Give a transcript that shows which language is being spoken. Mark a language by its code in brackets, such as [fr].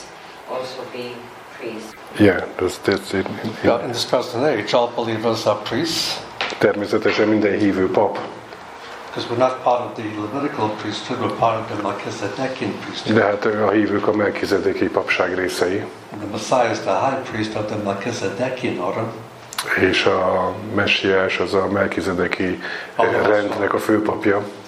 [en] talking about the born again believers also being priests. Yeah, that's it. Yeah, in this present age, all believers are priests. [hu] Természetesen minden hívő pap. [en] Because we're not part of the Levitical priesthood, we're part of the Melchizedekian priesthood. [hu] De hát a hívők a Melchizedeki papság részei. [en] The Messiah is the high priest of the Melchizedekian order. [hu] És a Messiás az a Melchizedeki rendnek a főpapja.